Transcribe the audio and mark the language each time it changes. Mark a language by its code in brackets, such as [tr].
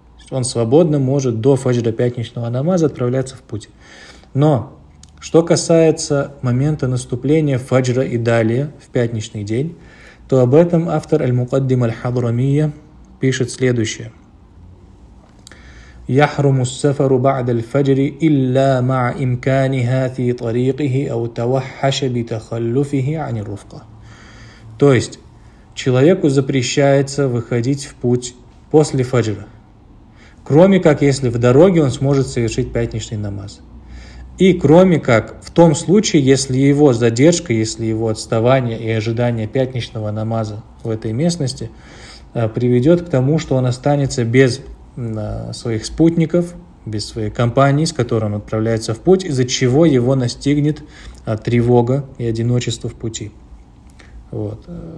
[ru] Он свободно может до фаджра пятничного намаза отправляться в путь. Но что касается момента наступления фаджра и далее в пятничный день, то об этом автор Аль-Мукаддим Аль-Хадрамия пишет следующее. [ar] يحرم السفر بعد الفجر إلا مع إمكانها في طريقه أو توحش بتخلفه عن الرفقة. [ru] То есть человеку запрещается выходить в путь после фаджра, кроме как если в дороге он сможет совершить пятничный намаз. И кроме как в том случае, если его задержка, если его отставание и ожидание пятничного намаза в этой местности приведет к тому, что он останется без своих спутников, без своей компании, с которой он отправляется в путь, из-за чего его настигнет тревога и одиночество в пути. Вот.